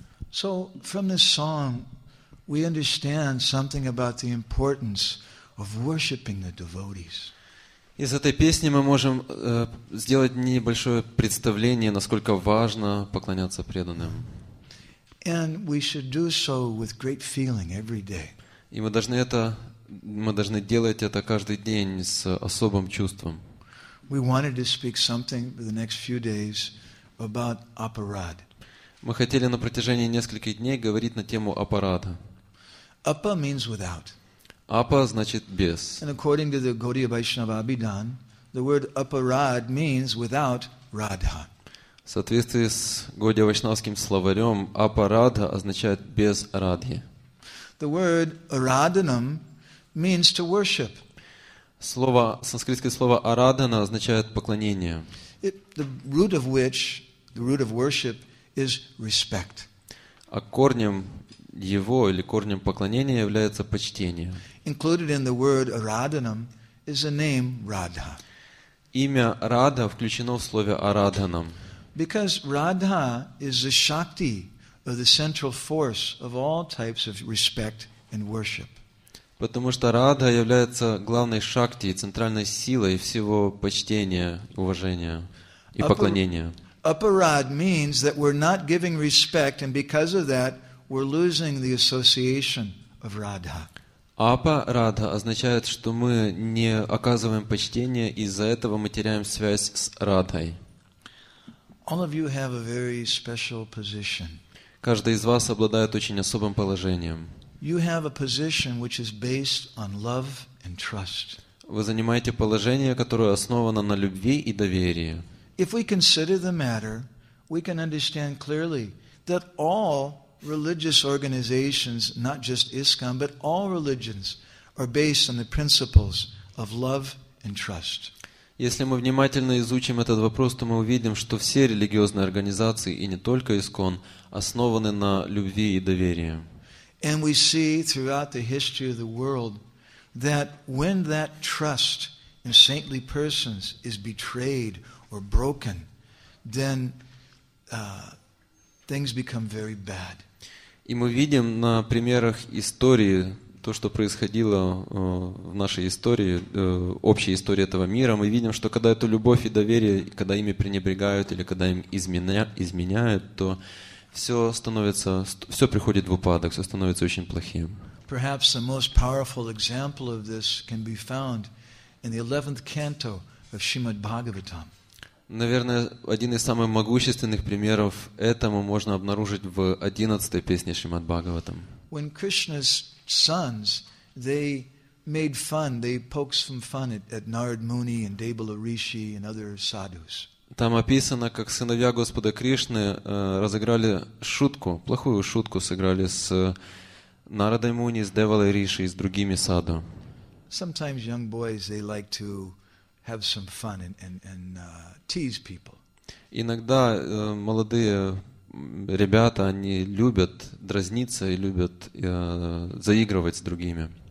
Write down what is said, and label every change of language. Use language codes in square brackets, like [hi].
[en] So from this song, we understand something about the importance of worshiping the devotees. [ru] Из этой песни мы можем сделать небольшое представление, насколько важно поклоняться преданным. [en] And we should do so with great feeling every day. [ru] И мы должны делать это каждый день с особым чувством. [en] We wanted to speak something for the next few days about aparad. [ru] Мы хотели на протяжении нескольких дней говорить на тему аппарата. [en] Appa means without. [ru] Appa значит без. [en] And according to the Gaudiya Vaishnava Abhidhan, the word aparad means without Radha. [ru] В соответствии с Гаудия Вайшнавским словарем, апарадха означает без радхи. [en] The word aradhanam means to worship. [ru] Слово, санскритское слово арадхана означает поклонение. [en] It, the root of which, the root of worship, is respect. [ru] А корнем его или корнем поклонения является почтение. [en] Included in the word aradhanam is the name Radha. [ru] Имя Радха включено в слове арадханам. [en] Because Radha is the Shakti, or the central force of all types of respect and worship. [ru] Потому что Радха является главной Шакти, центральной силой всего почтения, уважения и поклонения. [en] Aparad means that we're not giving respect, and because of that, we're losing the association of Radha. [ru] Апарадха означает, что мы не оказываем почтения, и из-за этого мы теряем связь с Радхой. [en] All of you have a very special position. [ru] Каждый из вас обладает очень особым положением. [en] You have a position which is based on love and trust. [ru] Вы занимаете положение, которое основано на любви и доверии. [en] If we consider the matter, we can understand clearly that all religious organizations, not just ISKCON, but all religions are based on the principles of love and trust. [ru] Если мы внимательно изучим этот вопрос, то мы увидим, что все религиозные организации, и не только ИСКОН, основаны на любви и доверии. [en] And we see throughout the history of the world that when that trust in saintly persons is betrayed or broken, then things become very bad. [ru] И мы видим на примерах истории, то, что происходило в нашей истории, общей истории этого мира, мы видим, что когда эту любовь и доверие, когда ими пренебрегают или когда им изменяют, то все становится, все приходит в упадок, все становится очень плохим. [en] Perhaps the most powerful example of this can be found in the 11th canto of Shrimad Bhagavatam. [ru] Наверное, один из самых могущественных примеров этому можно обнаружить в 11-й песне Шримад Бхагаватам. [en] When Krishna's sons, they made fun, they poked some fun at Narad Muni and Debala Rishi and other sadhus. [ru] Там описано, как сыновья Господа Кришны разыграли шутку, плохую шутку сыграли с Нарадой Муни, с Девалой Риши и с другими садху. [en] Sometimes young boys, they like to have some fun tease people. [ru] Иногда молодые ребята, они любят дразниться и любят заигрывать с другими.